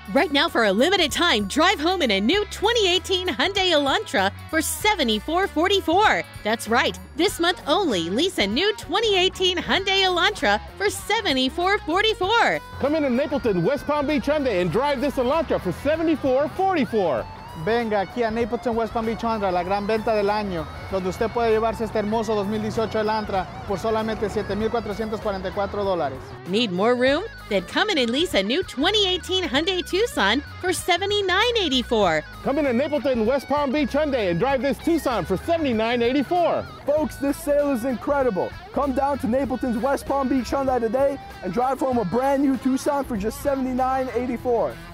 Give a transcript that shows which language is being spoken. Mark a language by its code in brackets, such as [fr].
[en] Right now, for a limited time, drive home in a new 2018 Hyundai Elantra for $74.44. That's right, this month only, lease a new 2018 Hyundai Elantra for $74.44. Come in to Napleton's West Palm Beach Hyundai and drive this Elantra for $74.44. [es] Venga aquí a Napleton West Palm Beach Hyundai, la gran venta del año, donde usted puede llevarse este hermoso 2018 Elantra por solamente $7,444. [en] Need more room? Then come in and lease a new 2018 Hyundai Tucson for $7,984. Come in to Napleton West Palm Beach Hyundai and drive this Tucson for $7,984. Folks, this sale is incredible. Come down to Napleton's West Palm Beach Hyundai today and drive home a brand new Tucson for just $7,984.